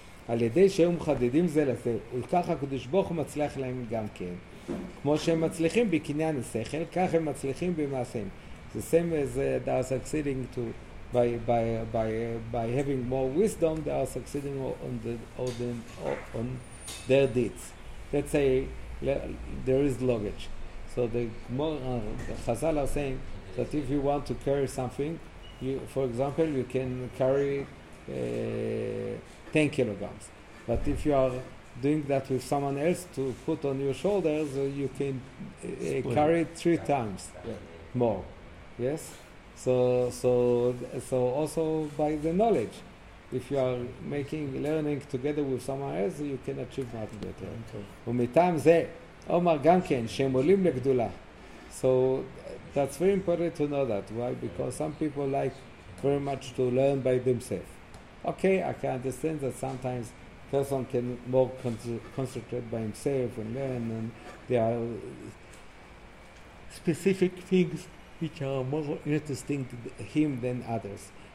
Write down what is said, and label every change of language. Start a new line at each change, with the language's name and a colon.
Hebrew: על ידי שהם חדדים זה לזה, וככה הקדוש ברוך הוא מצליח להם גם כן. כמו שהם מצליחים בקניין השכל, כך הם מצליחים במעשים.
English: The same as they are succeeding to by having more wisdom, they are succeeding on their deeds. Let's say there is luggage. So the Chazal are saying that if you want to carry something, you, for example, you can carry 10 kilograms. But if you are doing that with someone else to put on your shoulders, you can carry it three times more. Yes? So also by the knowledge. If you are learning together with someone else, you can achieve much better.
Hebrew: ומטעם זה, אומר גם כן, שהם עולים לגדולה.
English: So that's very important to know that. Why? Because some people like very much to learn by themselves. Okay, I can understand that sometimes person can more concentrate by himself and learn, and there are specific things which are more interesting to him than others.